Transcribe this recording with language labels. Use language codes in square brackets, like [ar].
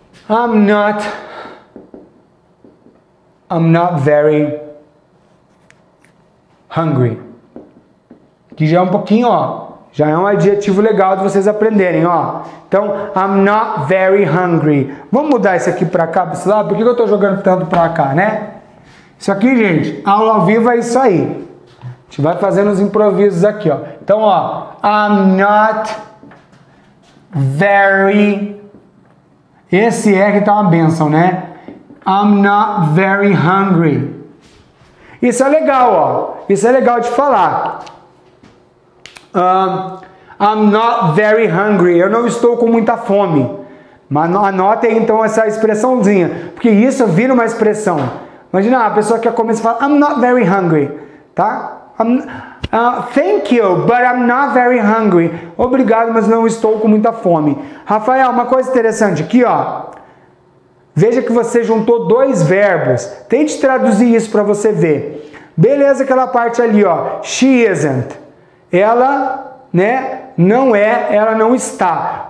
[en] I'm not very hungry. [pt] Que já é um pouquinho, ó. Já é um adjetivo legal de vocês aprenderem, ó. Então, [en] I'm not very hungry. [pt] Vamos mudar esse aqui pra cá, pra esse lado? Por que eu tô jogando tanto pra cá, né? Isso aqui, gente, aula ao vivo é isso aí. A gente vai fazendo os improvisos aqui, ó. [en] Então, ó. I'm not very... [pt] Esse R tá uma bênção, né? [en] I'm not very hungry. [pt] Isso é legal, ó. Isso é legal de falar. [en] I'm not very hungry. [pt] Eu não estou com muita fome. Mas anote então essa expressãozinha. Porque isso vira uma expressão. Imagina a pessoa que começa a falar, [en] I'm not very hungry. [pt] Tá? [en] Thank you, but I'm not very hungry. [pt] Obrigado, mas não estou com muita fome. Rafael, uma coisa interessante aqui, ó. Veja que você juntou dois verbos. Tente traduzir isso para você ver. Beleza, aquela parte ali, ó. [en] She isn't. [pt] Ela, né, não é, ela não está.